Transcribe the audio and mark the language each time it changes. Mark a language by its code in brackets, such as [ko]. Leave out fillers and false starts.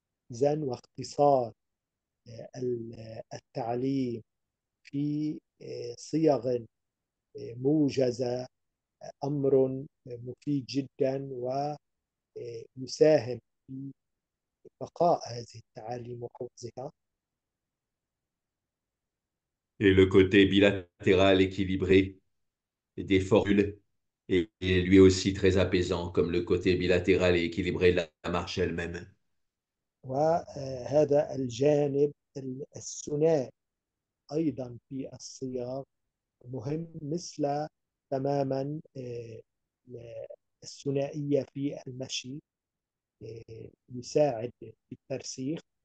[ar] إذن واختصار التعليم في صيغ موجزة أمر مفيد جدا ويساهم في بقاء هذه التعاليم وحفظها. [fr] Et le côté bilatéral équilibré des formules est lui aussi très apaisant, comme le côté bilatéral et équilibré de la marche elle-même. [ar] وهذا الجانب الثنائي أيضا في الصياغ مهم، مثل تماما الثنائية في المشي يساعد في الترسيخ.